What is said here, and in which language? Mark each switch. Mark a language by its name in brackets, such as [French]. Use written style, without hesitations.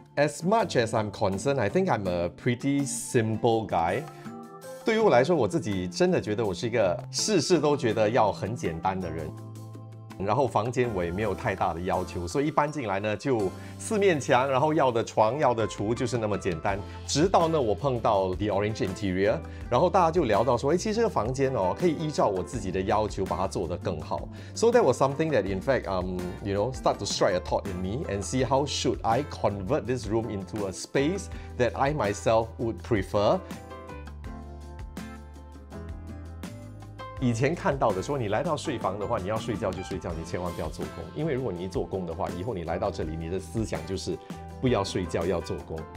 [English] As much as I'm concerned, I think I'm a pretty simple guy. [Chinese] 对于我来说，我自己真的觉得我是一个事事都觉得要很简单的人。然后房间我也没有太大的要求，所以一搬进来呢，就四面墙，然后要的床、要的厨就是那么简单。直到呢，我碰到 The Orange Interior， 然后大家就聊到说，哎，其实这个房间哦，可以依照我自己的要求把它做得更好。 [English] So that was something that in fact, you know, start to strike a thought in me and see how should I convert this room into a space that I myself would prefer. [Chinese] 以前看到的说，你来到睡房的话，你要睡觉就睡觉，你千万不要做工，因为如果你一做工的话，以后你来到这里，你的思想就是不要睡觉，要做工。